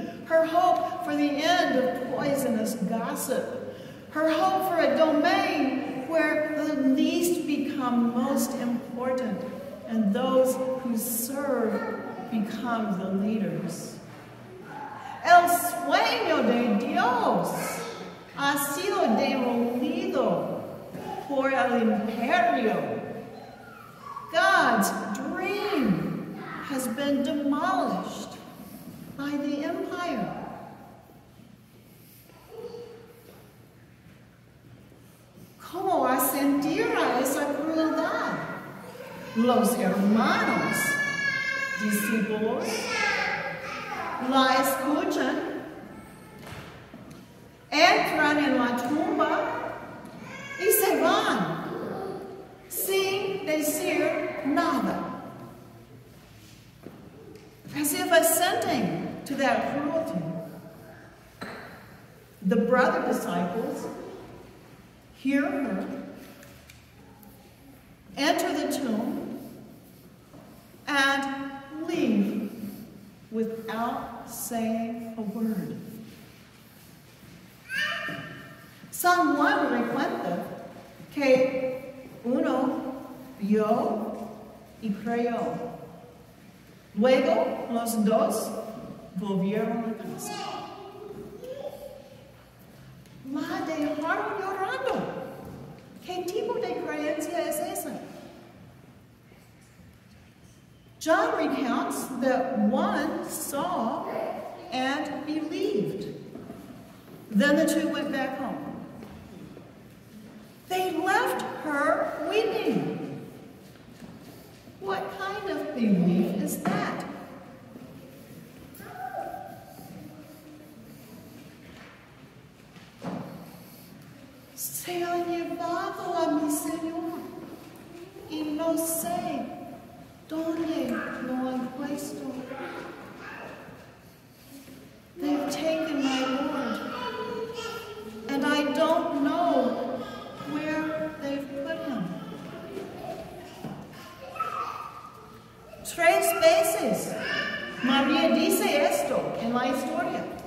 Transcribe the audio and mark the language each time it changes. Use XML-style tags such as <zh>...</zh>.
<en>Her hope for the end of poisonous gossip. Her hope for a domain where the least become most important and those who serve become the leaders.</en> <es>El sueño de Dios ha sido demolido por el imperio.</es> <en>God's dream has been demolished by the empire.</en> <es>¿Cómo va a sentir a esa crueldad? Los hermanos, discípulos, la escuchan, entran en la tumba y se van sin decir nada.</es> <en>As if assenting to that cruelty, the brother disciples hear her, enter the tomb, and leave without saying a word.</en> <es>San Juan me cuenta que uno vio y creyó. Luego, los dos volvieron a casa. La dejaron llorando. ¿Qué tipo de creencia es esa?</es> <en>John recounts that one saw and believed. Then the two went back home. They left her weeping. What kind of belief is that?</en> <es>Se ha llevado a mi Señor y no sé dónde lo han puesto.</es> <en>They've taken my Lord and I don't know where they've put him.</en> <es>Tres veces María dice esto en la historia.</es>